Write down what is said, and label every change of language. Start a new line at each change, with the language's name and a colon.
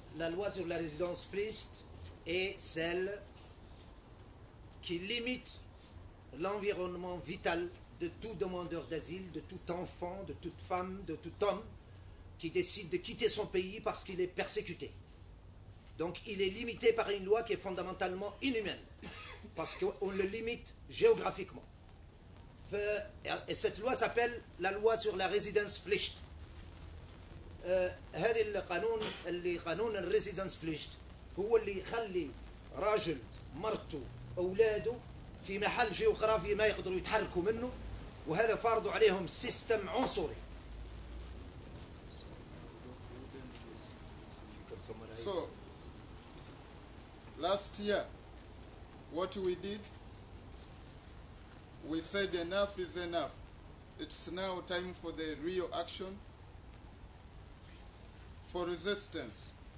French: La loi sur la résidence frist est celle qui limite l'environnement vital de tout demandeur d'asile, de tout enfant, de toute femme, de tout homme qui décide de quitter son pays parce qu'il est persécuté. Donc il est limité par une loi qui est fondamentalement inhumaine parce qu'on le limite géographiquement. Et cette loi s'appelle la loi sur la résidence pflicht.
Arabic: هذا القانون اللي قانون الريزيدنس فليشت هو اللي يخلي راجل مرته أولاده في محل جيوغرافي ما يقدروا يتحركوا منه وهذا فرض عليهم سيستم عنصري.
English: So last year what we did, we said enough is enough, it's now time for the real action for resistance.